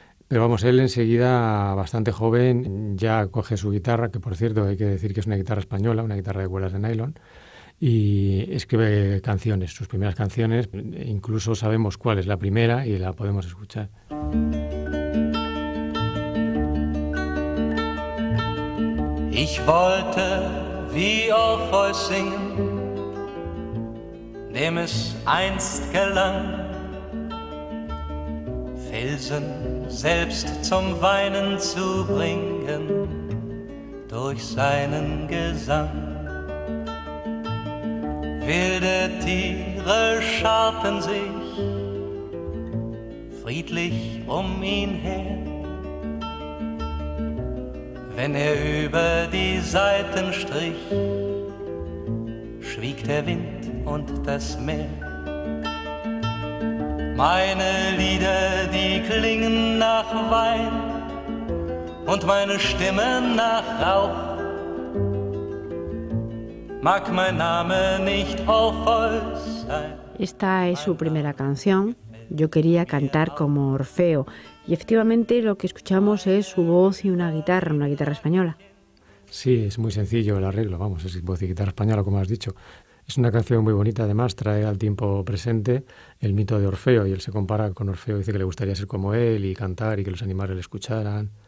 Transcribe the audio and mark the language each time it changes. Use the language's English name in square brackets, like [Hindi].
[Spanish] Pero vamos, él enseguida, bastante joven, ya coge su guitarra, que por cierto hay que decir que es una guitarra española, una guitarra de cuerdas de nylon, y escribe canciones, sus primeras canciones. Incluso sabemos cuál es la primera y la podemos escuchar. [German] Ich wollte wie Orpheus singen, dem es einst gelang, Felsen selbst zum Weinen zu bringen durch seinen Gesang. Wilde Tiere scharten sich friedlich um ihn her, wenn über die Saiten strich, schwieg der Wind und das Meer. Meine Lieder, die klingen nach Wein und meine Stimme nach Rauch. Mag mein Name nicht Orpheus sein. [Spanish] Esta es su primera canción, Yo quería cantar como Orfeo. Y efectivamente lo que escuchamos es su voz y una guitarra española. Sí, es muy sencillo el arreglo, vamos, es voz y guitarra española, como has dicho. Es una canción muy bonita, además trae al tiempo presente el mito de Orfeo, y él se compara con Orfeo, dice que le gustaría ser como él y cantar y que los animales le escucharan.